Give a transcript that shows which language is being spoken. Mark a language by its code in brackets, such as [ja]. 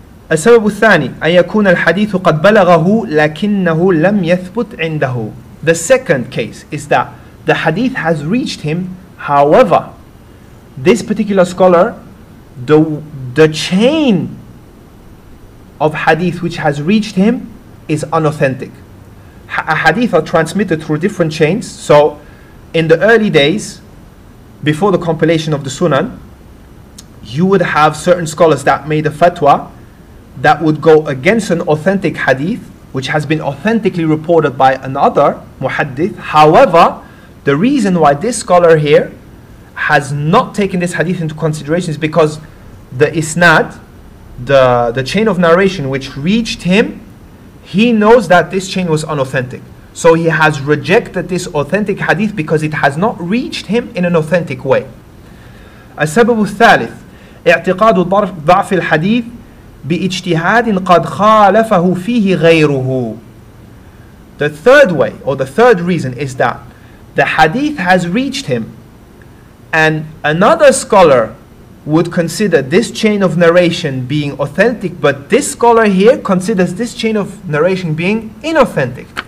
[ar] السبب الثاني أن يكون الحديث قد بلغه لكنه لم يثبت عنده. [en] The second case is that the hadith has reached him, however, this particular scholar, the chain of hadith which has reached him is unauthentic. Hadith are transmitted through different chains. So in the early days, before the compilation of the Sunan, you would have certain scholars that made a fatwa that would go against an authentic hadith which has been authentically reported by another muhaddith. However, the reason why this scholar here has not taken this hadith into consideration is because the isnad, the chain of narration which reached him, he knows that this chain was unauthentic. So he has rejected this authentic hadith because it has not reached him in an authentic way. [ar] السبب الثالث اعتقاد ضعف الحديث باجتهاد قد خالفه فيه غيره. [en] The third way, or the third reason, is that the hadith has reached him And another scholar would consider this chain of narration being authentic, but this scholar here considers this chain of narration being inauthentic.